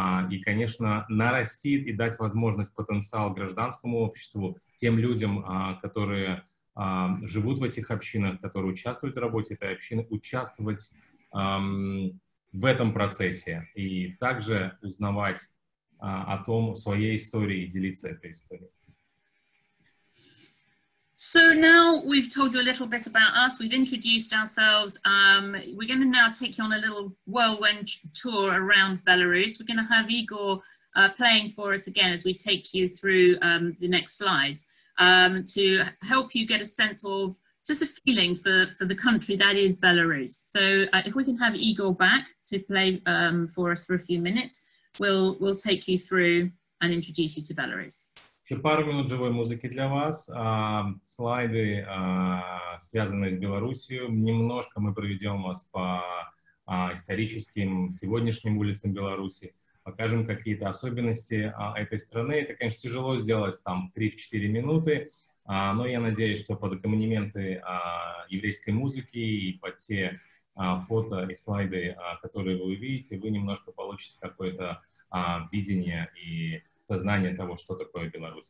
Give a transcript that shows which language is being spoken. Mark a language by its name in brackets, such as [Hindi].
[Russian] И, конечно, нарастит и дать возможность потенциал гражданскому обществу, тем людям, которые живут в этих общинах, которые участвуют в работе этой общины, участвовать в этом процессе и также узнавать о том, о своей истории и делиться этой историей. [English] So now we've told you a little bit about us, we've introduced ourselves, we're going to now take you on a little whirlwind tour around Belarus. We're going to have Igor playing for us again as we take you through the next slides to help you get a sense of just a feeling for the country that is Belarus. So if we can have Igor back to play for us for a few minutes, we'll take you through and introduce you to Belarus. [Russian] Еще пару минут живой музыки для вас, слайды, связанные с Белоруссией. Немножко мы проведем вас по историческим, сегодняшним улицам Беларуси, покажем какие-то особенности этой страны. Это, конечно, тяжело сделать там 3-4 минуты, но я надеюсь, что под аккомпанементы еврейской музыки и под те фото и слайды, которые вы увидите, вы немножко получите какое-то видение и сознание того, что такое Беларусь.